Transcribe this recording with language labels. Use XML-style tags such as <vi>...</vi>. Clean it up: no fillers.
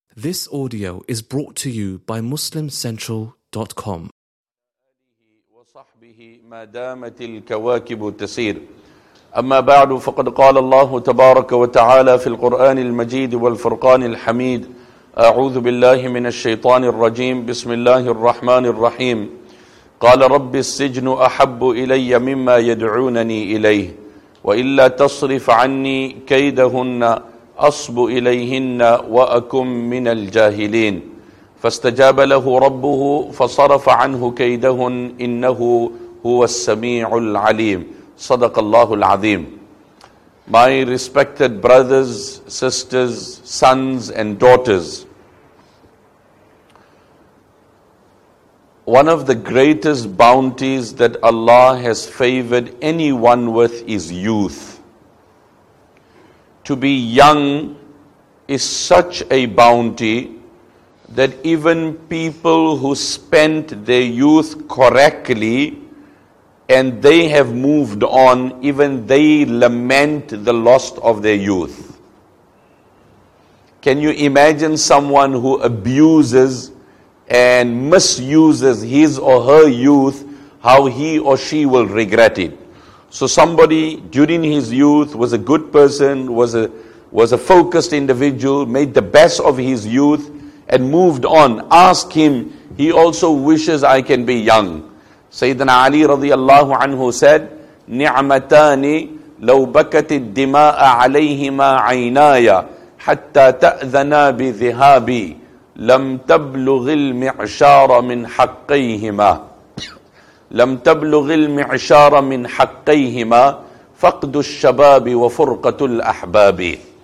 <en>This audio is brought to you by MuslimCentral.com.</en> <ar>وصحبه ما دامت الكواكب تسير. أما بعد فقد قال الله تبارك وتعالى في القرآن المجيد والفرقان الحميد أعوذ بالله من الشيطان الرجيم بسم الله الرحمن الرحيم قال رب السجن أحب إلي مما يدعونني إليه وإلا تصرف عني كيدهن أصب إليهن وأكن من الجاهلين فاستجاب له ربه فصرف عنه كيدهن إنه هو السميع العليم صدق الله العظيم.</ar> <en>My respected brothers, sisters, sons and daughters, one of the greatest bounties that Allah has favored anyone with is youth. To be young is such a bounty that even people who spent their youth correctly and they have moved on, even they lament the loss of their youth. Can you imagine someone who abuses and misuses his or her youth, how he or she will regret it? So somebody during his youth was a good person, was a focused individual, made the best of his youth and moved on. Ask him, he also wishes, I can be young.</en> <ar>Sayyidina Ali radiallahu anhu said, نِعْمَتَانِ لَوْ بَكَتِ الدِّمَاءَ عَلَيْهِمَا عَيْنَايَا حَتَّى تَأْذَنَا بِذِهَابِي لَمْ تَبْلُغِ الْمِعْشَارَ مِنْ حَقِّيهِمَا لَمْ تَبْلُغِ الْمِعْشَارَ مِنْ حَقِّيهِمَا فَقْدُ الشَّبَابِ وَفُرْقَةُ الْأَحْبَابِ.</ar>